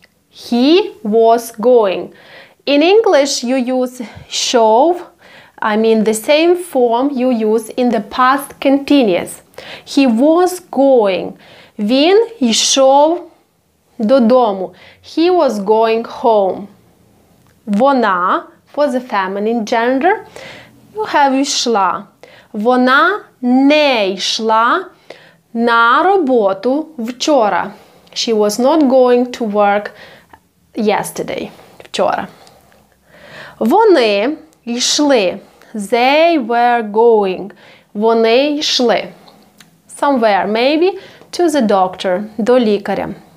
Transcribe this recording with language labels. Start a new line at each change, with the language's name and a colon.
English: He was going. In English, you use йшов, I mean the same form you use in the past continuous. He was going.
Ukrainian: Він йшов додому.
English: He was going home. Вона, for the feminine gender, you have йшла.
Ukrainian: Вона не йшла на роботу вчора.
English: She was not going to work yesterday, вчора.
Ukrainian: Вони йшли.
English: They were going.
Ukrainian: Вони йшли.
English: Somewhere, maybe, to the doctor,
Ukrainian: до лікаря.